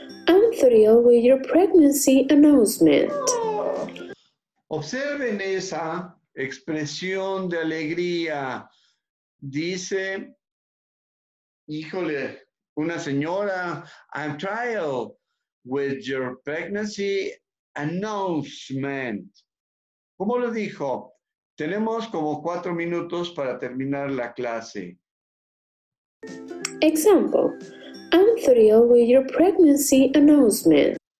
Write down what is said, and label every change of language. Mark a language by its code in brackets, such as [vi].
[en] I'm thrilled with your pregnancy announcement. [es] Observen esa expresión de alegría. Dice, híjole, una señora, I'm thrilled with your pregnancy announcement. ¿Cómo lo dijo? Tenemos como 4 minutos para terminar la clase. [en] Example. I'm thrilled with your pregnancy announcement.